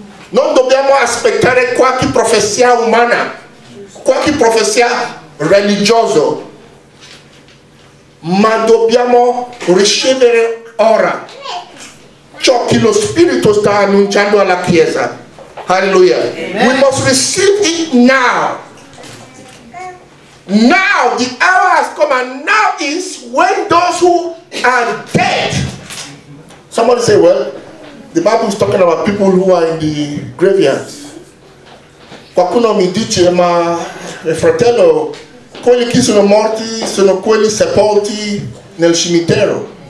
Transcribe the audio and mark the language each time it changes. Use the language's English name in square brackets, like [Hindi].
[Italian] Non dobbiamo aspettare qualche profezia umana, qualche profezia religiosa. Ma dobbiamo ricevere ora ciò che lo Spirito sta annunciando alla Chiesa. [English] Alleluia. We must receive it now. Now, the hour has come, and now is when those who are dead. Somebody say, well, the Bible is talking about people who are in the graveyards. [Italian] Qualcuno mi dice, ma fratello, quelli che sono morti sono quelli sepolti nel cimitero.